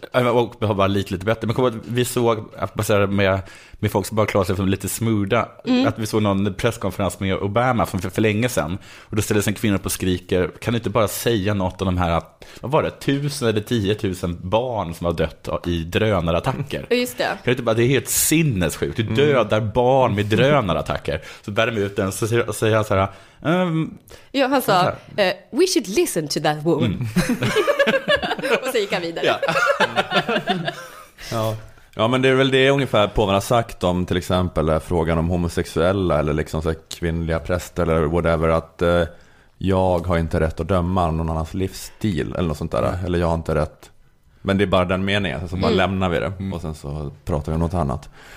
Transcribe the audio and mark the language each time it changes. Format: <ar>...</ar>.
<sv>Och har bara lite bättre. Men vi såg, med folk som bara klarar sig som lite smooth, att vi såg någon presskonferens med Obama för länge sedan. Och då ställde sig en kvinna på och skriker, kan du inte bara säga något om de här, vad var det, 1000 eller 10 000 barn som har dött i drönarattacker? Just det. Kan du inte bara, det är helt sinnessjukt. Du dödar barn med drönarattacker. Så bär de ut den, så säger han så här, ja, han sa,</sv> <en>we should listen to that woman.</en> <sv>Och så gick han vidare. Ja. Ja, men det är väl det ungefär påven har sagt om till exempel frågan om homosexuella eller liksom så kvinnliga präster eller whatever, att jag har inte rätt att döma någon annans livsstil eller något sånt där, eller jag har inte rätt. Men det är bara den meningen, så bara lämnar vi det och sen så pratar vi om något annat.</sv>